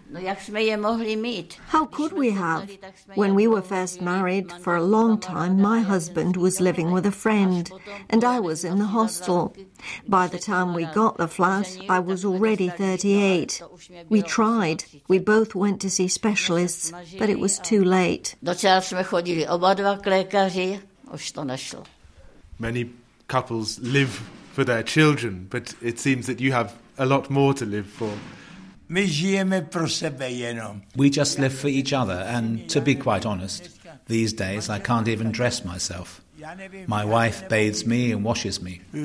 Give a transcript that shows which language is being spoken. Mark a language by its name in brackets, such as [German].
[Czech] No, jak jsme je mohli mít? [English] How could we have? When we were first married, for a long time, my husband was living with a friend, and I was in the hostel. By the time we got the flat, I was already 38. We tried. We both went to see specialists, but it was too late. [Czech] Docela jsme chodili oba dva k lékaři, už to nešlo. [English] Many couples live for their children, but it seems that you have a lot more to live for. [Czech] My žijeme pro sebe jenom. [English] We just live for each other, and to be quite honest, these days I can't even dress myself. My wife bathes me and washes me.